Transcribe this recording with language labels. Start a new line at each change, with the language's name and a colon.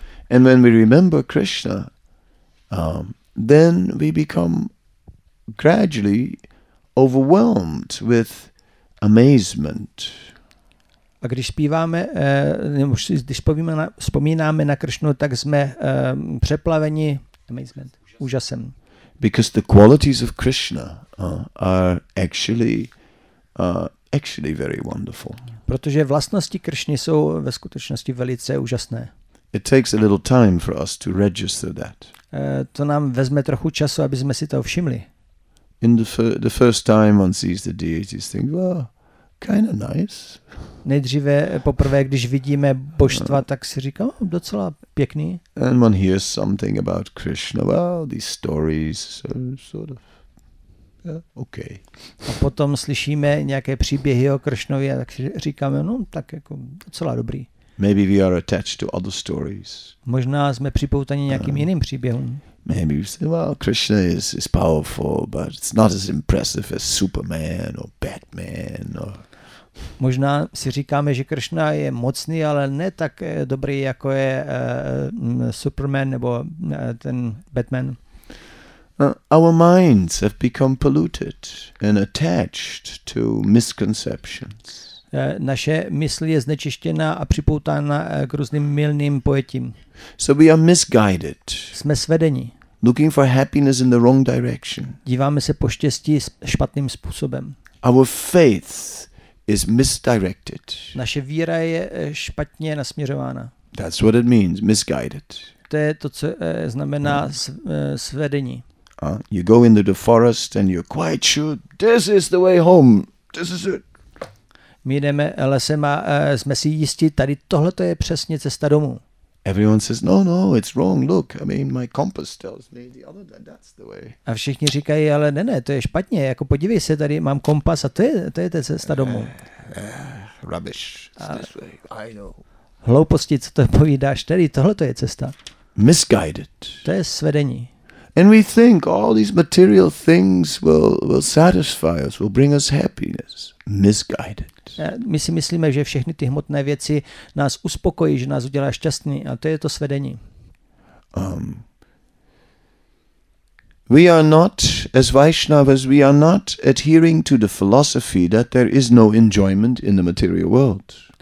English: And when we remember Krishna, then we become gradually overwhelmed with amazement.
Czech: A když zpíváme, když vzpomínáme na Krishnu, tak jsme přeplaveni amazement, úžasem.
English: Because the qualities of Krishna are actually very wonderful.
Czech: Protože vlastnosti Krishny jsou ve skutečnosti velice úžasné.
English: It takes a little time for us to register that.
Czech: To nám vezme trochu času, aby jsme si to všimli.
English: In the first time one sees the deities, think, well, kind of nice.
Czech: Nejdříve poprvé, když vidíme božstva, tak si říkám, oh, docela pěkný.
English: And one hears something about Krishna, well, these stories, sort of. Okay.
Czech: A potom slyšíme nějaké příběhy o Kršnově a tak říkáme, no tak jako docela dobrý.
English: Maybe we are attached to other stories.
Czech: Možná jsme připoutaní nějakým jiným příběhům.
English: Maybe we say, well, Krishna is powerful, but it's not as impressive as Superman or Batman or...
Czech: Možná si říkáme, že Kršna je mocný, ale ne tak dobrý, jako je Superman nebo ten Batman.
English: Our minds have become polluted and attached to misconceptions.
Czech: Naše mysl je znečištěna a připoutána k různým mylným pojetím.
English: So we are misguided.
Czech: Jsme svedeni.
English: Looking for happiness in the wrong direction.
Czech: Díváme se po štěstí špatným způsobem.
English: Our faith is misdirected.
Czech: Naše víra je špatně nasměřována.
English: That's what it means, misguided.
Czech: To je to, co znamená svedení.
English: You go into the forest and you're quite sure this is the way home. This is it.
Czech: My jdeme lesem a jsme si jistí, tady tohle to je přesně cesta domů.
English: Everyone says, no, it's wrong. Look, I mean, my compass tells me the other way. That's the way.
Czech: A všichni říkají, ale ne, to je špatně. Jako podívej se, tady mám kompas a to je ta cesta domů.
English: Rubbish. It's this way. I know.
Czech: Hlouposti, co to povídáš? Tady tohle to je cesta.
English: Misguided.
Czech: To je svedení.
English: And we think all these material things will satisfy us, will bring us happiness. Misguided.
Czech: My si myslíme, že všechny ty hmotné věci nás uspokojí, že nás udělá šťastný, a to je to svedení.
English: We are not, as Vaishnavas, we are not adhering to the philosophy that there is no enjoyment in the material world.